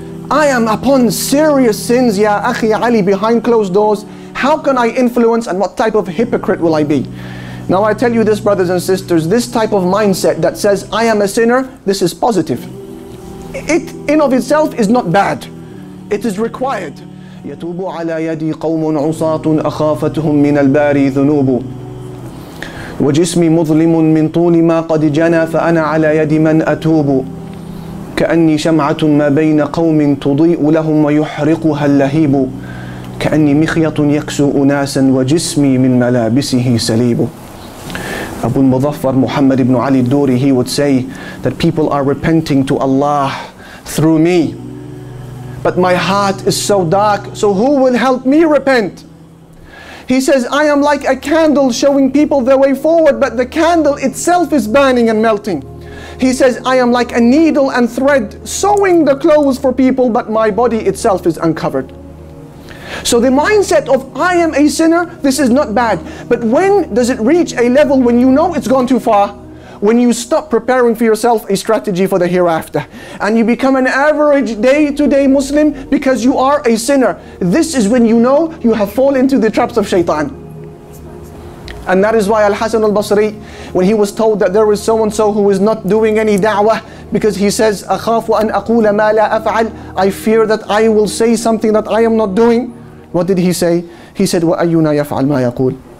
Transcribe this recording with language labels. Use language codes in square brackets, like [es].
[en] I am upon serious sins, ya akhi Ali, behind closed doors. How can I influence and what type of hypocrite will I be? Now I tell you this, brothers and sisters, this type of mindset that says, I am a sinner, this is positive. It in of itself is not bad. It is required. [ar] يَتُوبُ عَلَى يَدِي قَوْمٌ عُصَاتٌ أَخَافَتْهُمْ مِنَ الْبَارِي ذُنُوبُ وَجِسْمِي مُظْلِمٌ مِنْ طُولِ مَا قَدْ جَنَى فَأَنَا عَلَى يَدِ مَنْ أَتُوبُ كأني شمعة ما بين قوم تضيء لهم ويحرقها اللهيب كأني مخيط يكسو أناسا وجسمي من ملابسه سليب. [en] Abu Muzaffar Muhammad ibn Ali al-Duri, he would say that people are repenting to Allah through me, but my heart is so dark, so who will help me repent? He says, I am like a candle showing people the way forward, but the candle itself is burning and melting. He says, I am like a needle and thread sewing the clothes for people, but my body itself is uncovered. So the mindset of I am a sinner, this is not bad. But when does it reach a level when you know it's gone too far? When you stop preparing for yourself a strategy for the hereafter and you become an average day-to-day Muslim because you are a sinner. This is when you know you have fallen into the traps of shaitan. And that is why Al-Hasan al-Basri, when he was told that there is so-and-so who is not doing any da'wah, because he says, [ar] أَخَافُ أَنْ أَقُولَ مَا لَا أَفْعَلْ, [en] I fear that I will say something that I am not doing. What did he say? He said, [ar] وَأَيُّنَا يَفْعَلْ مَا يَقُولْ.